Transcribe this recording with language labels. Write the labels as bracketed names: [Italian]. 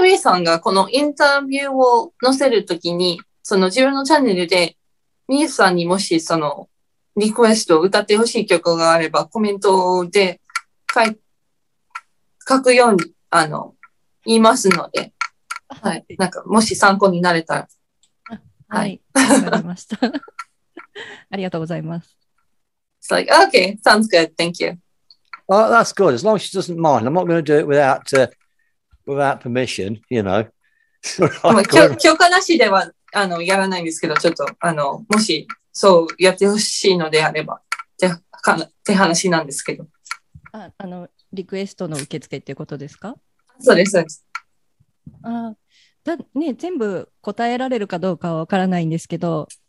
[Japanese] Wei さんがこのインタビューを載せるときに、その自分のチャンネルで、ミユさんにもしそのリクエスト、歌ってほしい曲があればコメントで書くように言いますので、はい。なんかもし参考になれたら。はい。わかりました。ありがとうございます。 [English] It's like, okay, sounds good, thank you. Well, that's good, as long as she doesn't mind. I'm not going to do it without permission, you know. [Japanese] 許可なしでは。やらないんですけど、ちょっと、もし、そうやってほしいのであれば、って話なんですけど。リクエストの受付っていうことですか？そうです、そうです。全部答えられるかどうかは分からないんですけど、